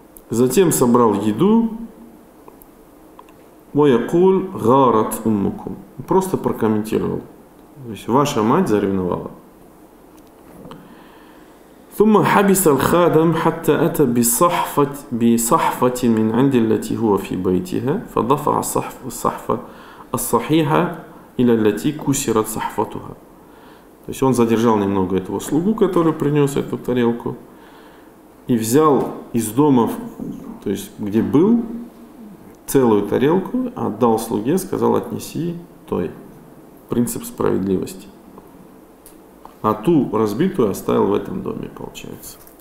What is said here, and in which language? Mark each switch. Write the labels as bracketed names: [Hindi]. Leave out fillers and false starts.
[Russian] Затем собрал еду. «Ваякуль гарат уммукум». Просто прокомментировал. То есть ваша мать заревновала. [Arabic] ثم حبس الخادم حتى أتى بصحفة بصحفة من عند التي هو في بيتها فضفع الصحفة الصحيحة إلى التي كسرت صحفتها. [Russian] То есть он задержал немного этого слугу, который принес эту тарелку, и взял из дома, то есть где был, целую тарелку, отдал слуге, сказал: отнеси той. Принцип справедливости. А ту разбитую оставил в этом доме, получается.